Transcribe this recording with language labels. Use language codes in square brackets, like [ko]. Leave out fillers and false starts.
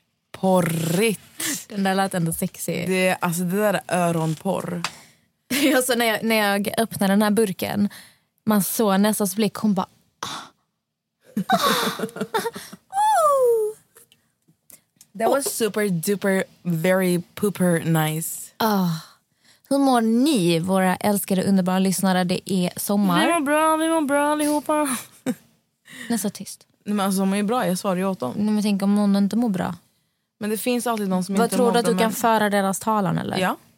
[sv] Porrigt. Den där lät ändå sexy. Det, alltså det där är öronporr. Alltså, när jag öppnade den här burken, man såg Nessas blick, hon bara... [en] That was super duper very pooper nice. Oh. [sv] Hur mår ni, våra älskade underbara lyssnare? Det är sommar. Vi mår bra allihopa. Nästa tyst. Nej, men alltså, mår ju bra, jag svarar ju åt dem. Nej, men tänk om någon inte mår bra. Men det finns alltid någon som vad inte mår bra. Vad tror du att du kan föra deras talan, eller? Ja.